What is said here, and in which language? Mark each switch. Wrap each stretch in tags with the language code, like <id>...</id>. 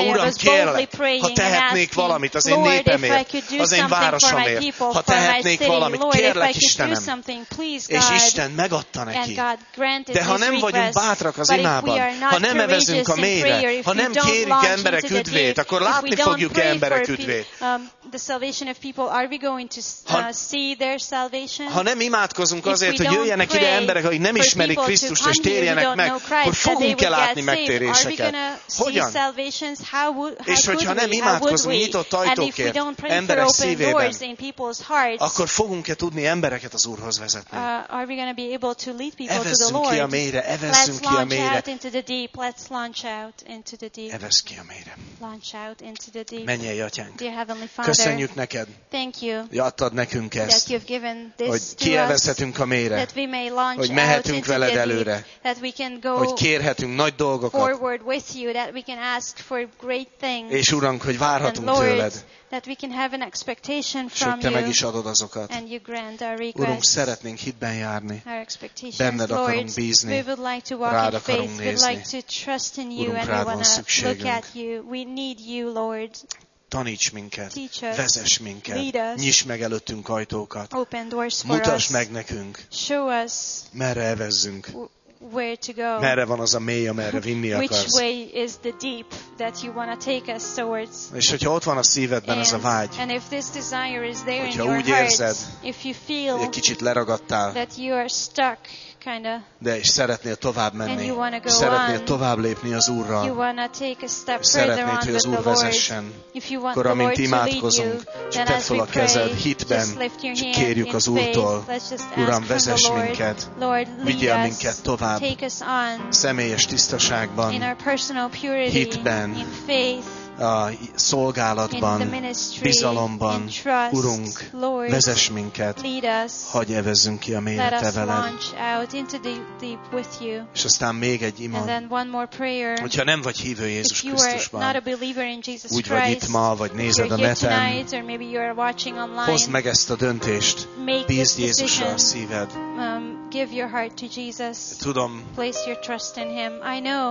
<hu>Uram, kérlek, ha tehetnék valamit az én népemért, az én városomért, ha tehetnék valamit, kérlek Istenem. És Isten megadta neki. De ha nem vagyunk bátrak az imában, ha nem evezünk a mély, ha nem kérik emberek üdvét, akkor látni fogjuk emberek üdvét.</hu> <en>The salvation of people, are we going to see their salvation?</en> <hu>Ha nem imádkozunk azért, hogy jöjjenek ide emberek, akik nem ismerik Krisztust és térjenek meg, akkor fogunk-e látni megtéréseket? Hogyan? És hogyha nem imádkozunk nyitott ajtókért emberek szívében, akkor fogunk-e tudni embereket az Úrhoz vezetni?</hu> <en>Are we going to be able to lead people</en> <hu>evezzünk</hu> <en>to the Lord?</en> <hu>Ki a mélyre, evezzünk ki a mélyre.</hu> <en>Let's launch out into the deep. Let's launch out. into the deep.</en> <hu>Evesz ki a mélyre.</hu> <en>Launch out into the deep.</en> <hu>Menj el, Atyánk.</hu> <en>Dear Heavenly Father,</en> <hu>köszönjük neked.</hu> <en>Thank you.</en> <hu>Hogy adtad nekünk ezt.</hu> <en>That you've given this</en> <hu>hogy kievezhetünk a mélyre.</hu> <en>That we may launch</en> <hu>hogy mehetünk</hu> <en>out into</en> <hu>veled</hu> <en>the deep,</en> <hu>előre.</hu> <en>That we can go</en> <hu>hogy kérhetünk nagy dolgokat.</hu> <en>Forward with you, that we can ask for great things.</en> <hu>És Uram, hogy várhatunk</hu> <en>and Lord,</en> <hu>tőled.</hu> <en>That we can have an expectation from</en> <hu>sőt, te</hu> <en>you,</en> <hu>meg is adod azokat.</hu> <en>And you grant our requests.</en> <hu>Urunk, szeretnénk hitben járni.</hu> <en>Our expectations.</en> <hu>Benned akarunk bízni.</hu> <en>We would like to walk</en> <hu>rád</hu> <en>in faith.</en> <hu>Nézni.</hu> <en>We would like to trust in you</en> <hu>Urunk,</hu> <en>and we want to look at you. We need you, Lord.</en> <hu>Taníts minket.</hu> <en>Teach us.</en> <hu>Vezess minket.</hu> <en>Lead us.</en> <hu>Nyiss meg előttünk ajtókat.</hu> <en>Open doors for</en> <hu>mutasd</hu> <en>us.</en> <hu>Meg nekünk.</hu> <en>Show us.</en> <hu>Merre evezzünk.</hu> <en>Where to go?</en> <hu>Merre van az a mély, amerre vinni akarsz?</hu> <en>Which way is the deep that you want to take us towards?</en> <hu>És hogyha ott van a szívedben ez a vágy,</hu> <en>and if this desire is there in your</en> <hu>úgy érzed,</hu> <en>heart, if you feel</en> <hu>egy kicsit leragadtál,</hu> <en>that you are stuck, kinda,</en> <hu>de és szeretnél tovább menni,</hu> <en>and you want to go</en> <hu>szeretnél</hu> <en>on,</en> <hu>tovább lépni az Úrral,</hu> <en>you want to take a step</en> <hu>szeretnéd,</hu> <en>further on</en> <hu>hogy az Úr</hu> <en>with the Lord,</en> <hu>vezessen,</hu> <en>if you want</en> <hu>akkor,</hu> <en>the Lord</en> <hu>imádkozunk,</hu> <en>to lead you, then as we pray,</en> <hu>kezed, hitben,</hu> <en>just lift your hand</en> <hu>kérjük</hu> <en>in</en> <hu>az Úrtól,</hu> <en>faith,</en> <hu>Uram, vezess</hu> <en>the Lord,</en> <hu>minket,</hu> <en>Lord,</en> <hu>vigyél minket tovább,</hu> <en>take us on</en> <hu>személyes tisztaságban,</hu> <en>in our personal purity,</en> <hu>hitben,</hu> <en>in faith,</en> <hu>a szolgálatban,</hu> <en>in the ministry,</en> <hu>bizalomban,</hu> <en>in trust,</en> <hu>Urunk,</hu> <en>Lord,</en> <hu>vezess minket,</hu> <en>lead us,</en> <hu>hagy evezzünk ki a mélyre</hu> <en>let</en> <hu>te veled.</hu> <en>Us launch out into the deep with you.</en> <hu>És aztán még egy ima.</hu> <en>And then one more prayer.</en> <hu>Hogyha nem vagy hívő Jézus</hu> <en>if you</en> <hu>Krisztusban,</hu> <en>not a believer in Jesus Christ,</en> <hu>úgy vagy itt ma, vagy nézed a neten,</hu> <en>tonight, or maybe you are watching online,</en> <hu>hozd meg ezt a döntést,</hu> <en>make</en> <hu>bízd</hu> <en>this decision,</en> <hu>Jézusra a szíved.</hu> <en>Give your heart to Jesus.</en> <hu>Tudom,</hu> <en>place your trust in him. I know.</en>